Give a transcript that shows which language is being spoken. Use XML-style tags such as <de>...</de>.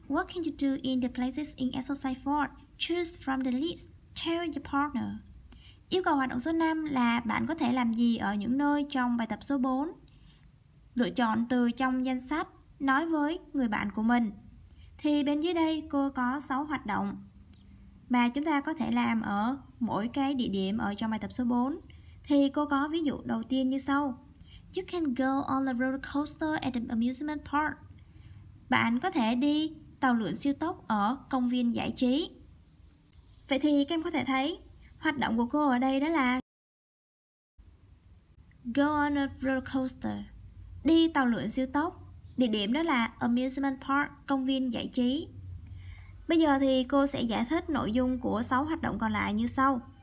<en>What can you do in the places in exercise 4? Choose from the list. Tell your partner.</en> <vi>Yêu cầu hoạt động số 5 là bạn có thể làm gì ở những nơi trong bài tập số 4? Lựa chọn từ trong danh sách, nói với người bạn của mình. Thì bên dưới đây cô có 6 hoạt động mà chúng ta có thể làm ở mỗi cái địa điểm ở trong bài tập số 4. Thì cô có ví dụ đầu tiên như sau.</vi> <en>You can go on the roller coaster at the amusement park.</en> <vi>Bạn có thể đi tàu lượn siêu tốc ở công viên giải trí. Vậy thì các em có thể thấy hoạt động của cô ở đây đó là</vi> <en>go on a roller coaster,</en> <vi>đi tàu lượn siêu tốc. Địa điểm đó là amusement park, công viên giải trí. Bây giờ thì cô sẽ giải thích nội dung của 6 hoạt động còn lại như sau.</vi>